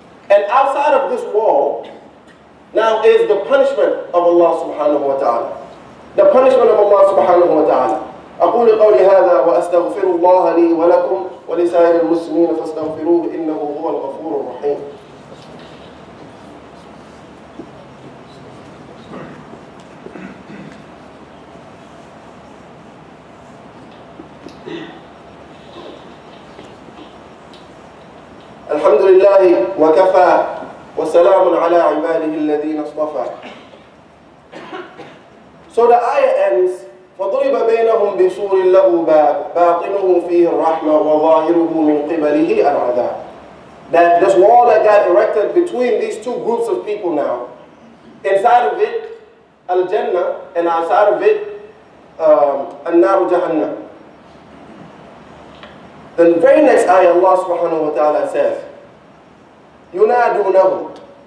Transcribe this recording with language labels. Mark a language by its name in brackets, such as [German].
[English] And outside of this wall, now is the punishment of Allah subhanahu wa ta'ala. The punishment of Allah subhanahu wa ta'ala. [Arabic] أقول قولي هذا وأستغفر الله لي ولكم ولسائر المسلمين فاستغفروه إنه هو الغفور الرحيم. الحمد لله وكفى وسلام على عباده الذين اصطفى. [English] So the ayah ends, [Arabic] فضرب بينهم بسور له باب باطنه فيه الرحمة وظاهره من قبله العذاب. [English] That this wall that got erected between these two groups of people now, inside of it al-Jannah and outside of it al-Nar Jahannam. The very next ayah Allah subhanahu wa ta'ala says, يُنَادُونَهُمْ.